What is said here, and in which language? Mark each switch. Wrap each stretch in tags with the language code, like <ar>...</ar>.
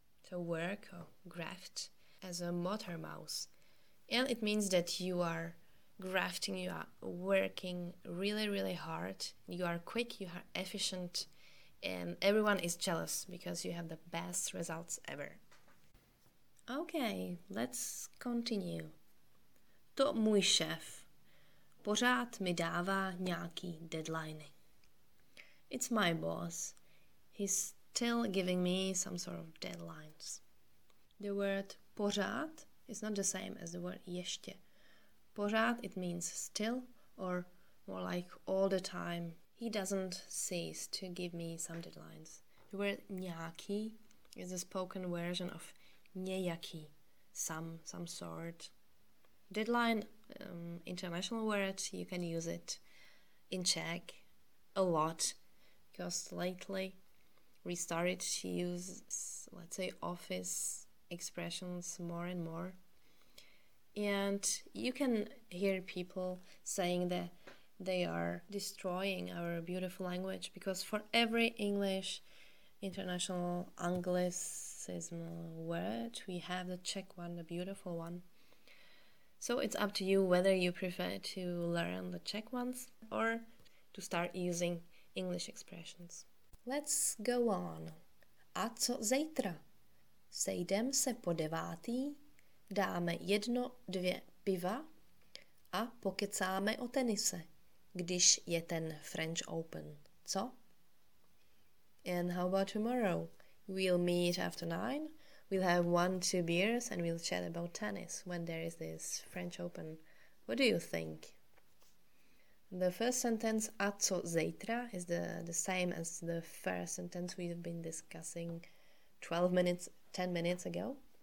<en>To work or graft as a motor mouse. And it means that you are grafting, you are working really, really hard. You are quick, you are efficient, and everyone is jealous because you have the best results ever. Okay, let's continue.</en> <cs>To můj šéf pořád mi dává nějaký deadline.</cs> <en>It's my boss. He's still giving me some sort of deadlines. The word pořád is not the same as the word ještě. Pořád, it means still, or more like all the time. He doesn't cease to give me some deadlines. The word nějaký is a spoken version of nějaký, some sort. Deadline, international word, you can use it in Czech a lot, because lately we started to use, let's say, office expressions more and more. And you can hear people saying that they are destroying our beautiful language because for every English international anglicism word, we have the Czech one, the beautiful one. So it's up to you whether you prefer to learn the Czech ones or to start using English expressions. Let's go on.</en> <cs>A co zítra? Sejdem se po devátý dáme jedno, dvě piva a pokecáme o tenise, když je ten French Open, co?</cs> <en>And how about tomorrow? We'll meet after 9, we'll have 1-2 beers and we'll chat about tennis when there is this French Open. What do you think? The first sentence,</en> <cs>a co zítra,</cs> <en>is the same as the first sentence we've been discussing 10 minutes ago.</en>